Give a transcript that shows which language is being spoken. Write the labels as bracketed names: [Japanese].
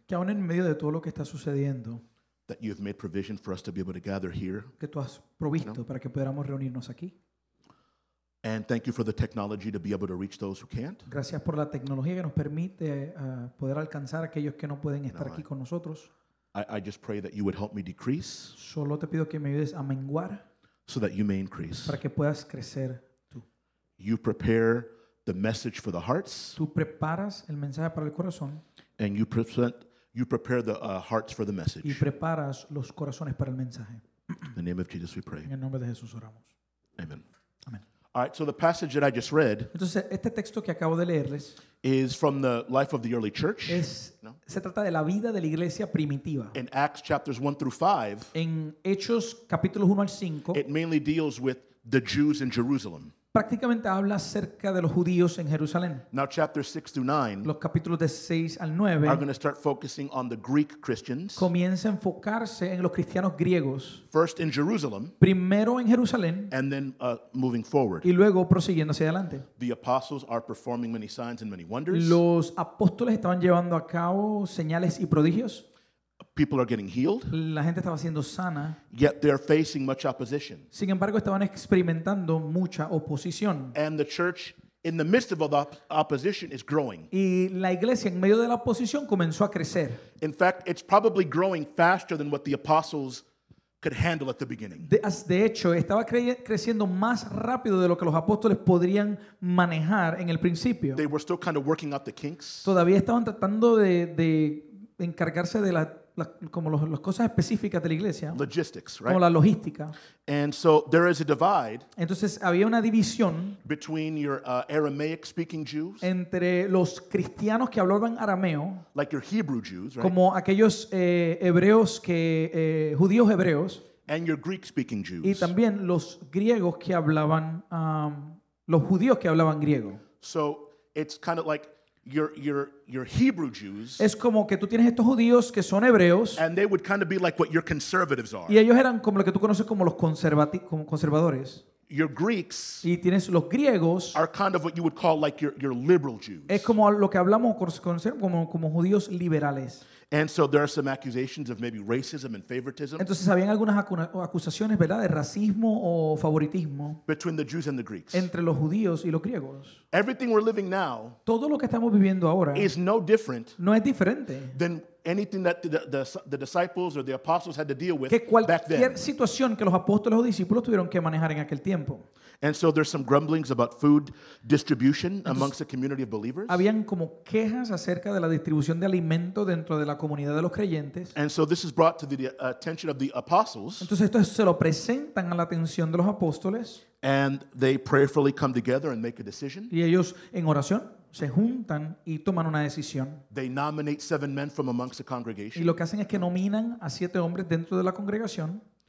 [Spanish] que aún en medio de todo lo que está sucediendo, [English] that you have made provision for us to be able to gather here. [Spanish] Que tú has provisto para que podamos reunirnos aquí. [English] And thank you for the technology to be able to reach those who can't. [Spanish] Gracias por la tecnología que nos permite poder alcanzar a aquellos que no pueden estar aquí con nosotros. [English] I just pray that you would help me decrease. [Spanish] Solo te pido que me ayudes a menguar. [English] So that you may increase. [Spanish] Para que puedas crecer tú. [English] You prepare the message for the hearts. [Spanish] Tú preparas el mensaje para el corazón. [English] And you prepare the hearts for the message. [Spanish] Y preparas los corazones para el mensaje. [English] In the name of Jesus we pray. [Spanish] En el nombre de Jesús oramos. [English] Amen. [Spanish] Amen. [English] All right, so the passage that I just read, [Spanish] entonces, este texto que acabo de leerles, [English] is from the life of the early church. [Spanish] Se trata de la vida de la iglesia primitiva. [English] In Acts chapters 1 through 5, [Spanish] en Hechos capítulos 1 al 5, [English] it mainly deals with the Jews in Jerusalem. [Spanish] Prácticamente habla acerca de los judíos en Jerusalén. [English] Now chapters 6 through 9, [Spanish] los capítulos de 6 al 9, [English] are going to start focusing on the Greek Christians. [Spanish] Comienza a enfocarse en los cristianos griegos. [English] First in Jerusalem, [Spanish] primero en Jerusalén, [English] and then moving forward. [Spanish] Y luego prosiguiendo hacia adelante. [English] The apostles are performing many signs and many wonders. [Spanish] Los apóstoles estaban llevando a cabo señales y prodigios. [English] People are getting healed. [Spanish] La gente estaba siendo sana. [English] Yet they are facing much opposition. [Spanish] Sin embargo, estaban experimentando mucha oposición. [English] And the church, in the midst of all the opposition, is growing. [Spanish] Y la iglesia, en medio de la oposición, comenzó a crecer. [English] In fact, it's probably growing faster than what the apostles could handle at the beginning. [Spanish] De hecho, estaba creciendo más rápido de lo que los apóstoles podrían manejar en el principio. [English] They were still kind of working out the kinks. [Spanish] Todavía estaban tratando de encargarse de la como las cosas específicas de la iglesia, [English] logistics, right? [Spanish] Como la logística. [English] And so there is a divide. [Spanish] Entonces había una división [English] between your Aramaic speaking Jews, [Spanish] entre los cristianos que hablaban arameo, [English] like your Hebrew Jews, right? [Spanish] Como aquellos hebreos que judíos hebreos, [English] and your Greek speaking Jews. [Spanish] Y también los griegos que hablaban los judíos que hablaban griego. [English] So it's kind of like your Hebrew Jews. [Spanish] Es como que tú tienes estos judíos que son hebreos. [English] And they would kind of be like what your conservatives are. [Spanish] Y ellos eran como lo que tú conoces como los conservadores. [English] Your Greeks. [Spanish] Y tienes los griegos. [English] Are kind of what you would call like your liberal Jews. [Spanish] Es como lo que hablamos como judíos liberales. [English] And so there are some accusations of maybe racism and favoritism. [Spanish] Entonces habían algunas acusaciones, ¿verdad?, de racismo o favoritismo. [English] Between the Jews and the Greeks. [Spanish] Entre los judíos y los griegos. [English] Everything we're living now. [Spanish] Todo lo que estamos viviendo ahora. [English] Is no different. [Spanish] No es diferente. [English] Than anything that the disciples or the apostles had to deal with back then. [Spanish] Cualquier situación que los apóstoles o discípulos tuvieron que manejar en aquel tiempo. [English] And so there's some grumblings about food distribution. Entonces, amongst the community of believers. [Spanish] Habían como quejas acerca de la distribución de alimento dentro de la comunidad de los creyentes. [English] And so this is brought to the attention of the apostles. [Spanish] Entonces esto se lo presentan a la atención de los apóstoles. [English] And they prayerfully come together and make a decision. [Spanish] Y ellos en oración se juntan y toman una decisión. [English] They nominate seven men from amongst the congregation. [Spanish] Y lo que hacen es que nominan a siete hombres dentro de la congregación.